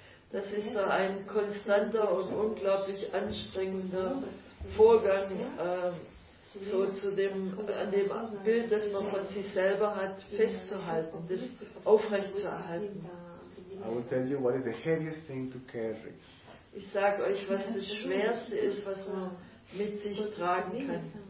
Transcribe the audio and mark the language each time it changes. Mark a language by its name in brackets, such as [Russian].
[German] Das ist da ein konstanter und unglaublich anstrengender Vorgang, so zu dem, an dem Bild, das man von sich selber hat, festzuhalten, das aufrechtzuerhalten. [English] I will tell you what is the heaviest thing to carry. [German] Ich sage euch, was das Schwerste ist, was man mit sich tragen kann.